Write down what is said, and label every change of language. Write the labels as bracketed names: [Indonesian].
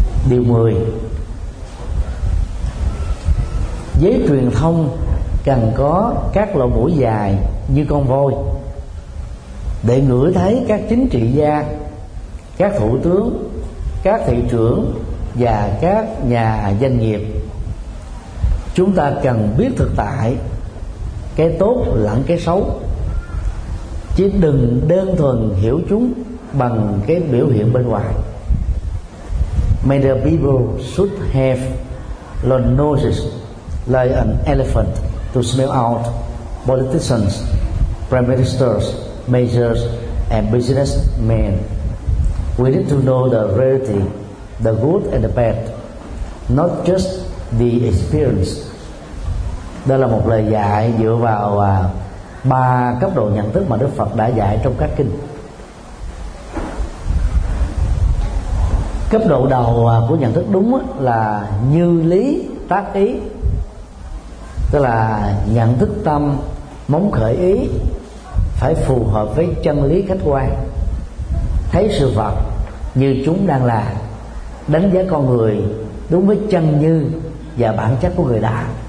[Vietnamese] Điều 10, giới truyền thông cần có các lỗ mũi dài như con voi để ngửi thấy các chính trị gia, các thủ tướng, các thị trưởng và các nhà doanh nghiệp. Chúng ta cần biết thực tại cái tốt lẫn cái xấu, chứ đừng đơn thuần hiểu chúng bằng cái biểu hiện bên ngoài. [English] May the people should have long noses like an elephant to smell out politicians, prime ministers, majors, and businessmen. We need to know the reality the good and the bad, not just the experience. [Vietnamese] Đây là một lời dạy dựa vào ba cấp độ nhận thức mà Đức Phật đã dạy trong các kinh. Cấp độ đầu của nhận thức đúng là như lý tác ý, tức là nhận thức tâm móng khởi ý phải phù hợp với chân lý khách quan, thấy sự vật như chúng đang là, đánh giá con người đúng với chân như và bản chất của người đã.